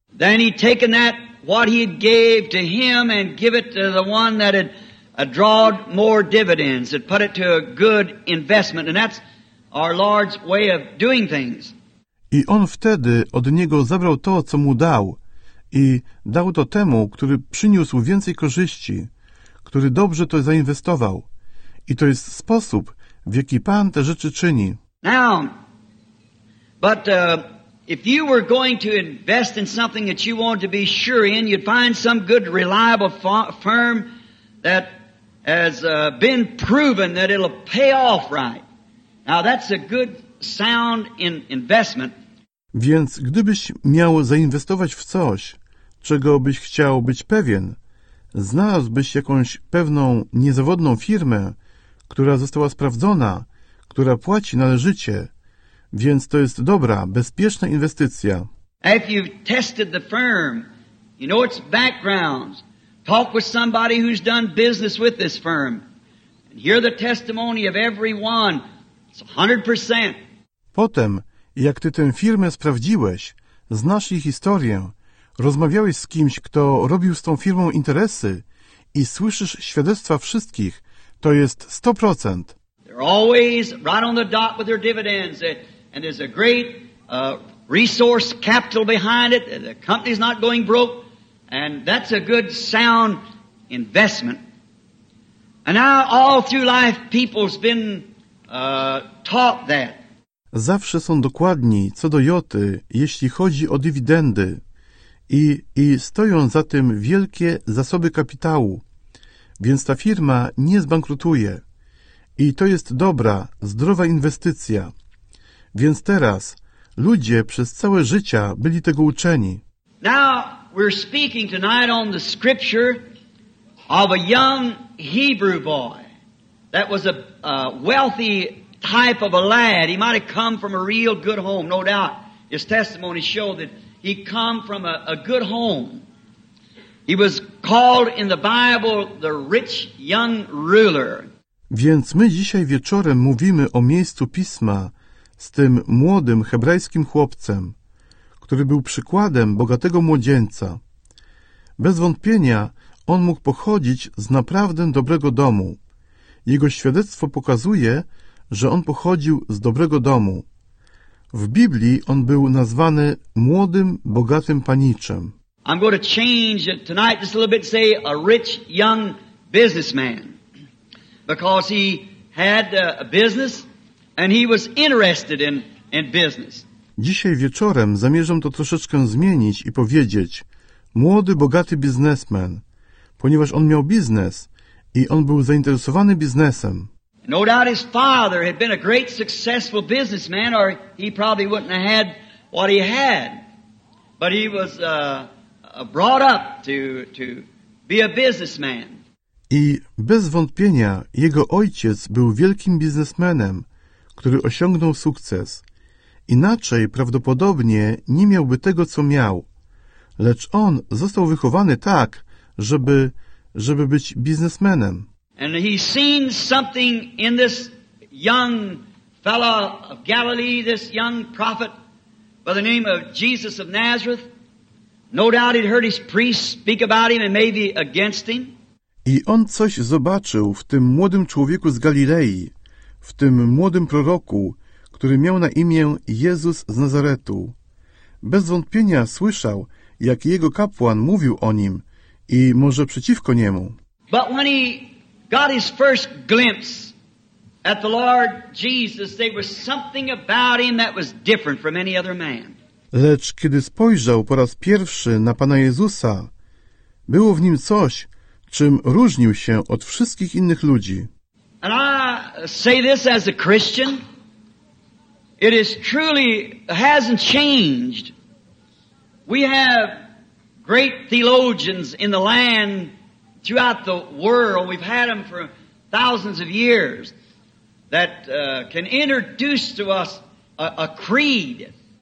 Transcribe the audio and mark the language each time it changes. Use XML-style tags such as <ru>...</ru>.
<en>Then he taken that, what he gave to him and give it to the one that had drawed more dividends and put it to a good investment, and that's our Lord's way of doing things.</en> <pl>I on wtedy od niego zabrał to, co mu dał, i dał to temu, który przyniósł więcej korzyści, który dobrze to zainwestował. I to jest sposób, w jaki Pan te rzeczy czyni.</pl> <en>Now, but if you were going to invest in something that you want to be sure in, you'd find some good, reliable firm that has been proven that it'll pay off right. Now that's a good sound investment.</en> <pl>Więc gdybyś miał zainwestować w coś, czego byś chciał być pewien, znalazłbyś jakąś pewną niezawodną firmę, która została sprawdzona, która płaci należycie, więc to jest dobra, bezpieczna inwestycja.</pl> <en>If you've tested the firm, you know its backgrounds. Talk with somebody who's done business with this firm and hear the testimony of every one. It's 100%.</en> <pl>Potem, jak ty tę firmę sprawdziłeś, znasz jej historię, rozmawiałeś z kimś, kto robił z tą firmą interesy i słyszysz świadectwa wszystkich, to jest 100%.</pl> <en>They're always right on the dot with their dividends, and there's a great resource capital behind it. The company's not going broke. And that's a good, sound investment. And now all through life people's been taught that.</en> <pl>Zawsze są dokładni co do joty, jeśli chodzi o dywidendy. I stoją za tym wielkie zasoby kapitału. Więc ta firma nie zbankrutuje. I to jest dobra, zdrowa inwestycja. Więc teraz ludzie przez całe życia byli tego uczeni.</pl> <en>Now we're speaking tonight on the scripture of a young Hebrew boy that was a wealthy type of a lad. He might have come from a real good home, no doubt. His testimony showed that he come from a good home. He was called in the Bible the rich young ruler.</en> <pl>Więc my dzisiaj wieczorem mówimy o miejscu Pisma z tym młodym hebrajskim chłopcem, który był przykładem bogatego młodzieńca. Bez wątpienia on mógł pochodzić z naprawdę dobrego domu. Jego świadectwo pokazuje, że on pochodził z dobrego domu. W Biblii on był nazwany młodym, bogatym paniczem.</pl> <en>I'm going to change it tonight just a little bit, say a rich young businessman. Because he had a business and he was interested in business.</en> <pl>Dzisiaj wieczorem zamierzam to troszeczkę zmienić i powiedzieć młody, bogaty biznesmen, ponieważ on miał biznes i on był zainteresowany biznesem.</pl> <en>No doubt his father had been a great successful businessman or he probably wouldn't have had what he had. But he was brought up to be a businessman.</en> <pl>I bez wątpienia jego ojciec był wielkim biznesmenem, który osiągnął sukces. Inaczej prawdopodobnie nie miałby tego, co miał. Lecz on został wychowany tak, żeby być biznesmenem.</pl> <en>And he seen something in this young fellow of Galilee, this young prophet by the name of Jesus of Nazareth. No doubt he'd heard his priests speak about him and maybe against him.</en> <pl>I on coś zobaczył w tym młodym człowieku z Galilei, w tym młodym proroku, który miał na imię Jezus z Nazaretu. Bez wątpienia słyszał, jak jego kapłan mówił o nim i może przeciwko niemu.</pl> <en>But when he got his first glimpse at the Lord Jesus, there was something about him that was different from any other man.</en> <pl>Lecz kiedy spojrzał po raz pierwszy na Pana Jezusa, było w nim coś, czym różnił się od wszystkich innych ludzi.</pl> <en>And I say this as a Christian. It is truly hasn't changed. We have great theologians in the land throughout the world. We've had them for thousands of years that can introduce to us a creed.</en>